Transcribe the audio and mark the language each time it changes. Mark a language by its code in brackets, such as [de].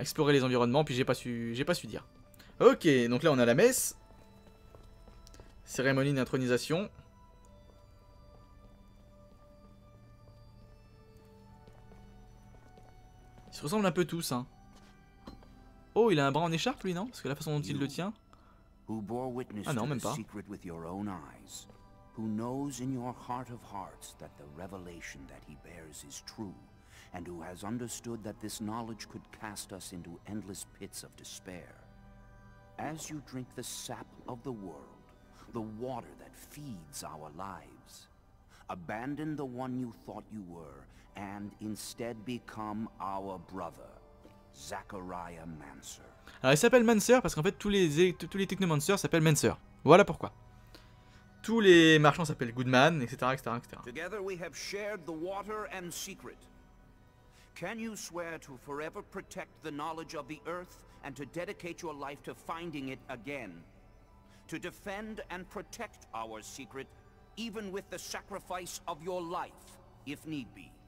[fr] Explorer les environnements, puis j'ai pas su dire. Ok, donc là on a la messe. Cérémonie d'intronisation. Ils se ressemblent un peu tous, hein. Oh, il a un bras en écharpe, lui, non? Parce que la façon dont il le tient. [en] who bore witness to the secret with your own eyes, who knows in your heart of hearts that the revelation that he bears is true, and who has understood that this knowledge could cast us into endless pits of despair. As you drink the sap of the world, the water that feeds our lives, abandon the one you thought you were, and instead become our brother, Zachariah Mansur. [fr] Alors il s'appelle Mansur parce qu'en fait tous les technomancers s'appellent Mansur. Voilà pourquoi. Tous les marchands s'appellent Goodman, etc., etc., etc. [en] Together we have shared the water and secret. Can you swear to forever protect the knowledge of the earth and to dedicate your life to finding it again? To defend and protect our secret, even with the sacrifice of your life, if need be.